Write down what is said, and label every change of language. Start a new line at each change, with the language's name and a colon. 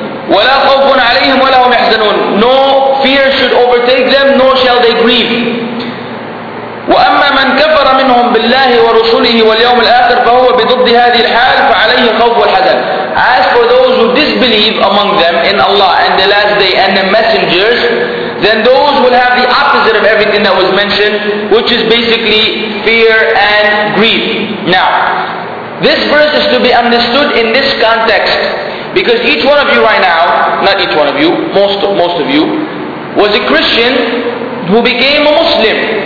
Arabic: ولا خوف عليهم ولا هم يحزنون.
English: No fear should overtake them, nor shall they grieve.
Arabic: وأما من كفر منهم بالله ورسوله واليوم الآخر فهو بضد هذه الحال فعليه خوف والحزن.
English: As for those who disbelieve among them in Allah and the last day and the messengers, then those will have the opposite of everything that was mentioned, which is basically fear and grief. Now, this verse is to be understood in this context, because each one of you right now, not each one of you, most of you, was a Christian who became a Muslim.